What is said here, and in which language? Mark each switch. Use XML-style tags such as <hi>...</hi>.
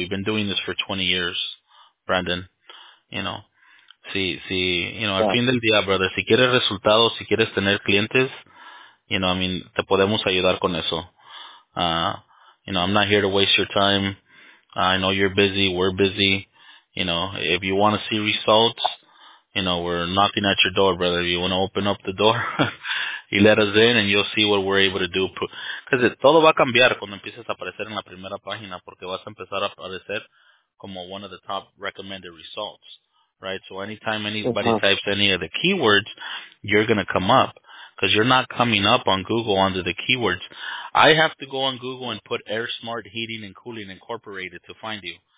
<en>We've been doing this for 20 years, Brandon, you know. See, you know, yeah.</en> <es>Al fin del día, brother, si quieres resultados, si quieres tener clientes,</es> <en>you know, I mean,</en> <es>te podemos ayudar con eso.</es> <en>You know, I'm not here to waste your time. I know you're busy. We're busy. You know, if you want to see results, you know, we're knocking at your door, brother. If you want to open up the door, you let us in and you'll see what we're able to do.</en> <es>Because todo va a cambiar cuando empieces a aparecer en la primera página, porque vas a empezar a aparecer como</es> <en>one of the top recommended results, right? So anytime anybody types any of the keywords, you're going to come up. Because you're not coming up on Google under the keywords. I have to go on Google and put Air Smart Heating and Cooling Incorporated to find you.</en>